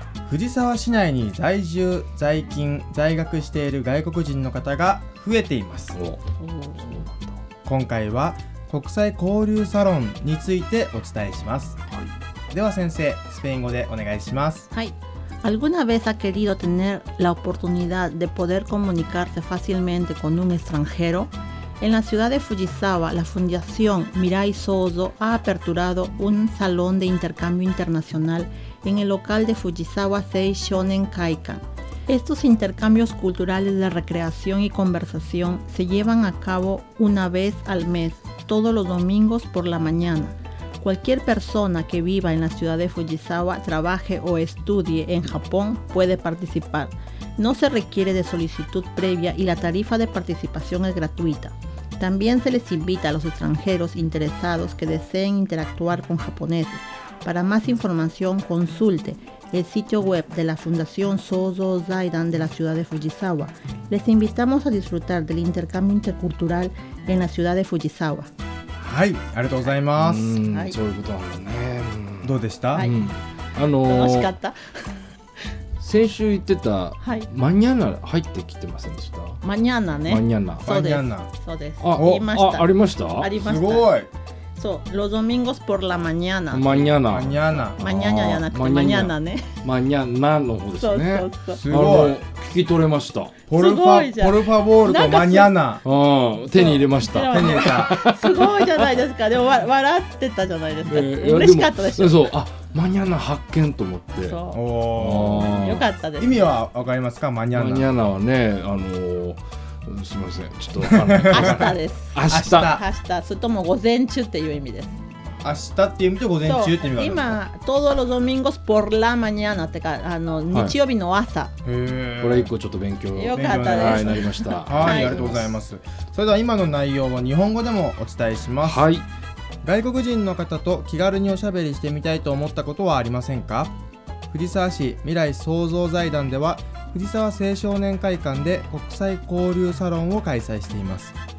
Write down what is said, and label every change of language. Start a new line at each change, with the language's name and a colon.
Japanese: 藤沢市内に在住、在勤、在学している外国人の方が増えています。今回は国際交流サロンについてお伝えします。はい、では先生、スペイン語でお願いします。はい。
Spanish: ¿Alguna vez ha querido tener la oportunidad de poder comunicarse fácilmente con un extranjero? En la ciudad de Fujisawa, la Fundación Mirai Sozo ha aperturado un salón de intercambio internacional en el local de Fujisawa Seishonen Kaikan. Estos intercambios culturales de recreación y conversación se llevan a cabo una vez al mes, todos los domingos por la mañana. Cualquier persona que viva en la ciudad de Fujisawa, trabaje o estudie en Japón puede participar. No se requiere de solicitud previa y la tarifa de participación es gratuita. También se les invita a los extranjeros interesados que deseen interactuar con japoneses. Para más información, consulte el sitio web de la Fundación Sozo Zaidan de la ciudad de Fujisawa. Les invitamos a disfrutar del intercambio intercultural en la ciudad de Fujisawa.
Japanese: はい、ありがとうございます。うん、はい、そういうことなんだね。どうでした？はい、うん、楽しかった先週言ってた、はい、マニャナ入ってきてませんでした？マニャナね。マニャナ、そうです、そうです。言いました。ありました、ありました。すごい。そう、ロドミンゴスポラマニャナ。マニャナ、マニャナ、マニャナじゃなくてマニャナね。マニャナの方ですね。そうそうそう、すごい聞き取れました。ポルファ、ポルファボールとマニャナ、うん、手に入れました。手に入れたすごいじゃないですか。でも笑ってたじゃないですか。嬉しかったでしょ。そう、あ、マニャナ発見と思って。そう、よかったです。意味はわかりますか、マニャナ。マニャナはね、すみません、ちょっと明日です。明日、明日、それとも午前中っていう意味です。明日っていう意味と午前中って意味があるんですか？今、
Spanish: todos los domingos por la mañana
Japanese: ってか、はい、日曜日の朝。へー、これ一個ちょっと勉強よかったです。はい、なりました。はい、ありがとうございます。それでは今の内容を日本語でもお伝えします。はい。外国人の方と気軽におしゃべりしてみたいと思ったことはありませんか？藤沢市未来創造財団では藤沢青少年会館で国際交流サロンを開催しています。